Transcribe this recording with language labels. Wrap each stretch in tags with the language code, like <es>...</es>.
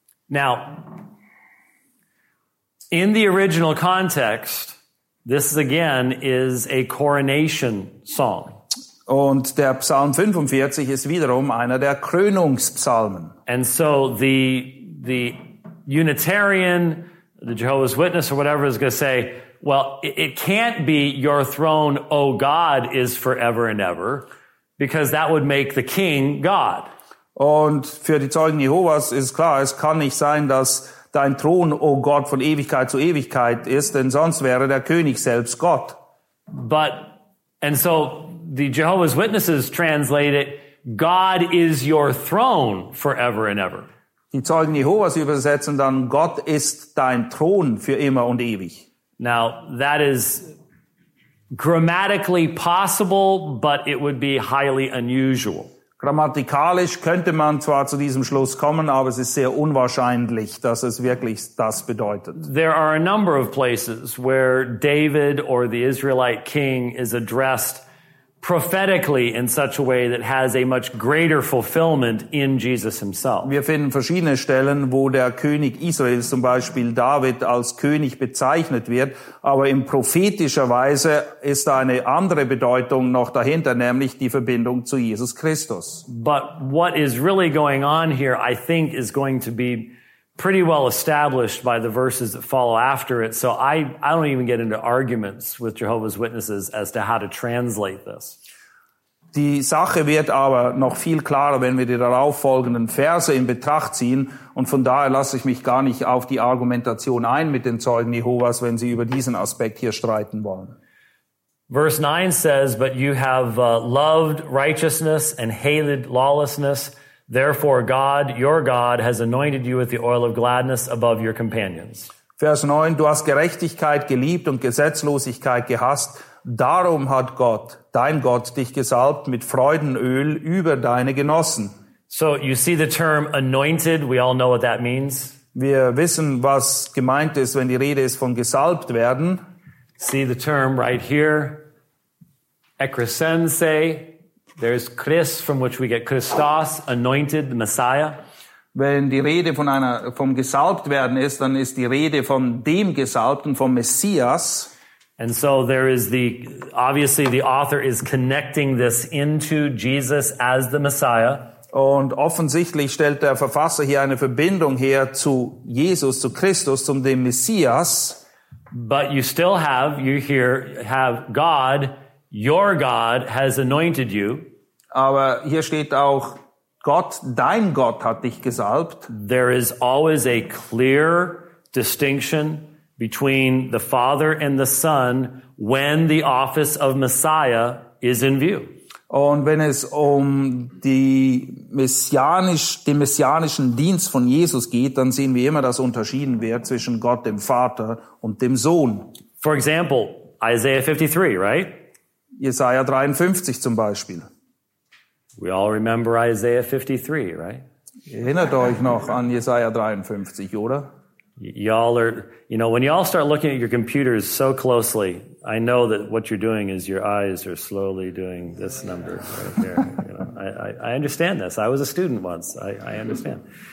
<en>Now, in the original context, this again is a coronation song.</en> <de>Und der Psalm 45 ist wiederum einer der Krönungspsalmen.</de> <en>And so the Unitarian, the Jehovah's Witness or whatever is going to say, well, it can't be your throne, O God, is forever and ever, because that would make the king God.</en> <de>Und für die Zeugen Jehovas ist klar, es kann nicht sein, dass dein Thron, O Gott, von Ewigkeit zu Ewigkeit ist, denn sonst wäre der König selbst Gott.</de> <en>But, and so, the Jehovah's Witnesses translate it, God is your throne forever and ever.</en> <de>Die Zeugen Jehovas übersetzen dann, Gott ist dein Thron für immer und ewig.</de> <en>Now, that is grammatically possible, but it would be highly unusual.</en> <de>Grammatikalisch könnte man zwar zu diesem Schluss kommen, aber es ist sehr unwahrscheinlich, dass es wirklich das bedeutet.</de> <en>There are a number of places where David or the Israelite king is addressed prophetically in such a way that has a much greater fulfillment in Jesus himself.</en> <de>Wir finden verschiedene Stellen, wo der König Israels, zum Beispiel David, als König bezeichnet wird, aber in prophetischer Weise ist da eine andere Bedeutung noch dahinter, nämlich die Verbindung zu Jesus Christus.</de> <en>But what is really going on here, I think, is going to be pretty well established by the verses that follow after it. So I don't even get into arguments with Jehovah's Witnesses as to how to translate this.</en> <de>Die Sache wird aber noch viel klarer, wenn wir die darauf folgenden Verse in Betracht ziehen. Und von daher lasse ich mich gar nicht auf die Argumentation ein mit den Zeugen Jehovas, wenn sie über diesen Aspekt hier streiten wollen.</de> <en>Verse 9 says, but you have loved righteousness and hated lawlessness. Therefore God, your God, has anointed you with the oil of gladness above your companions.</en> <de>Vers 9, du hast Gerechtigkeit geliebt und Gesetzlosigkeit gehasst. Darum hat Gott, dein Gott, dich gesalbt mit Freudenöl über deine Genossen.</de> <en>So you see the term anointed, we all know what that means.</en> <de>Wir wissen, was gemeint ist, wenn die Rede ist von gesalbt werden.</de> <en>See the term right here, ekrisense. There's Chris, from which we get Christos, anointed, the Messiah.</en> <de>Wenn die Rede von einer, vom gesalbt werden ist, dann ist die Rede von dem Gesalbten, vom Messias.</de> <en>And so there is the, obviously the author is connecting this into Jesus as the Messiah.</en> <de>Und offensichtlich stellt der Verfasser hier eine Verbindung her zu Jesus, zu Christus, zum dem Messias.</de> <en>But you still have, you here have God, your God has anointed you.</en> <de>Aber hier steht auch, Gott, dein Gott hat dich gesalbt.</de> <en>There is always a clear distinction between the Father and the Son when the office of Messiah is in view.</en> <de>Und wenn es um den messianischen Dienst von Jesus geht, dann sehen wir immer, dass unterschieden wird zwischen Gott, dem Vater und dem Sohn.</de> <en>For example, Isaiah 53, right?</en> <de>Jesaja 53 zum Beispiel.</de> <en>We all remember Isaiah 53, right?</en> <de>Erinnert euch noch an Jesaja 53, oder?</de> <en>Y'all are, you know, when y'all start looking at your computers so closely, I know that what you're doing is your eyes are slowly doing this number right here. You know, I understand this. I was a student once. I understand.</en>